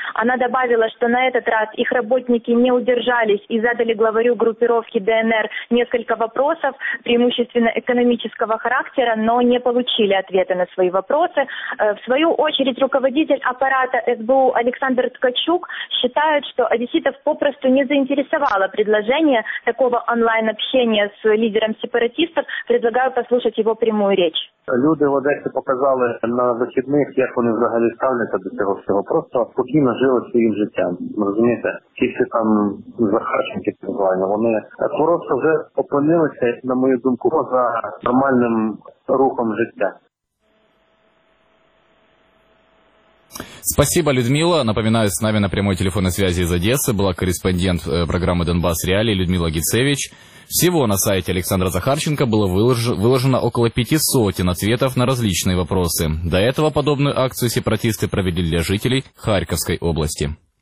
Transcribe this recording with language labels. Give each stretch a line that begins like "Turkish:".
Russian: Она добавила, что на этот раз их работники не удержались и задали главарю группировки ДНР несколько вопросов, преимущественно экономического характера, но не получили ответы на свои вопросы. В свою очередь, руководитель аппарата СБУ Александр Ткачук считает, что одесситов попросту не заинтересовало предложение такого онлайн-общения с лидером сепаратистов. Предлагаю послушать его прямую речь.
Ukrainian: Люди
Russian: в Одессе показали
Ukrainian: на вихідних, як вони взагалі ставляться до цього всього. Просто спокійно жили своїм життям. Розумієте? Ті, що там Захарченки, вони просто вже опинилися, на мою думку, за нормальним рухом життя.
Russian: Спасибо, Людмила. Напоминаю, с нами на прямой телефонной связи из Одессы была корреспондент программы «Донбасс Реалии» Людмила Гицевич. Всего на сайте Александра Захарченко было выложено около 500 ответов на различные вопросы. До этого подобную акцию сепаратисты провели для жителей Харьковской области.